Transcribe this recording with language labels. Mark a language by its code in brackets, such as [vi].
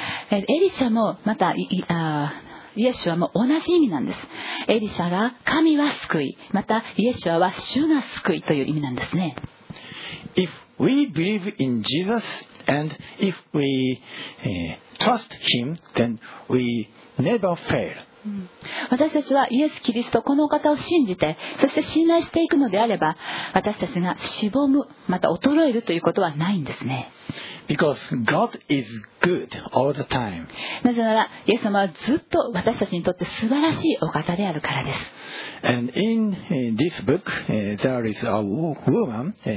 [ja] エリシャもまたイエシュアも同じ意味なんです。エリシャが神は救い、またイエシュアは主が救いという意味なんですね。 [en] If we believe in Jesus and if we trust him, then we never fail. [ja] 私たちはイエス・キリストこのお方を信じて、そして信頼していくのであれば、私たちがしぼむ、また衰えるということはないんですね。 [en] Because God is good all the time. [ja] なぜならイエス様はずっと私たちにとって素晴らしいお方であるからです。 [en] And in this book there is a woman